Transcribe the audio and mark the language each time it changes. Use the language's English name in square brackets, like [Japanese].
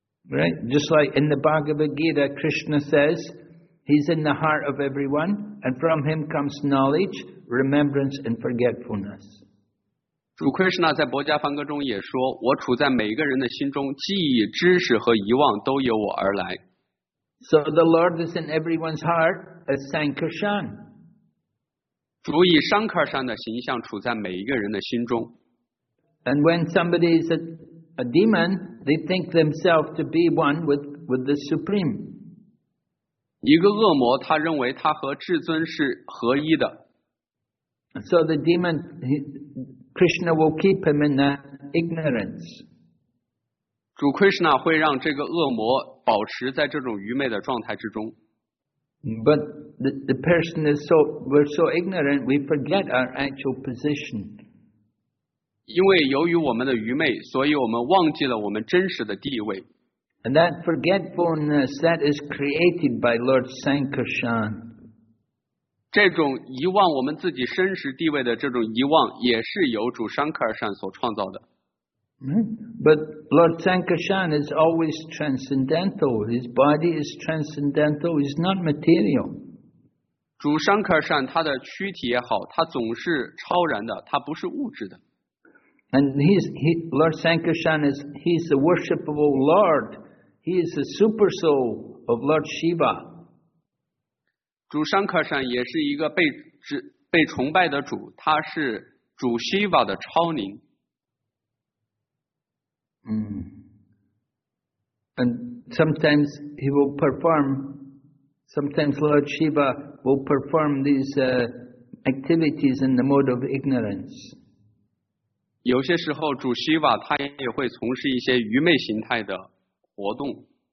[English] Right, just like in the Bhagavad Gita, Krishna says, he's in the heart of everyone, and from him comes knowledge, remembrance, and forgetfulness. [Chinese] 主 Krishna 在博迦梵歌中也说，我处在每个人的心中，记忆、知识和遗忘都由我而来。 [English] So the Lord is in everyone's heart as Sankarshan. [Chinese] 主以 Sankarshan 的形象处在每一个人的心中。 [English] And when somebody is a demon, they think themselves to be one with the Supreme. [Chinese] 一个恶魔，他认为他和至尊是合一的。 [English] So the demon, Krishna will keep him in that ignorance. [Chinese] 主 Krishna 会让这个恶魔保持在这种愚昧的状态之中。 [English] But the person is so, we're so ignorant, we forget our actual position. [Chinese] 因为由于我们的愚昧，所以我们忘记了我们真实的地位。 [English] And that forgetfulness that is created by Lord Sankarshan. [Chinese] 这种遗忘我们自己真实地位的这种遗忘，也是由主 Sankarshan 所创造的。 [English] But Lord Sankarshan is always transcendental. His body is transcendental. He's not material. [Chinese] 主 Sankarshan 他的躯体也好，他总是超然的，他不是物质的。 [English] And Lord Sankarshan is he's the worshipable Lord. He is the super soul of Lord Shiva. [Chinese] 主 Sankarshan 也是一个被崇拜的主，他是主 Shiva 的超灵。 [English] And sometimes he will perform. Sometimes Lord Shiva will perform these activities in the mode of ignorance. [Chinese] 有些时候主希瓦他也会从事一些愚昧形态的活动。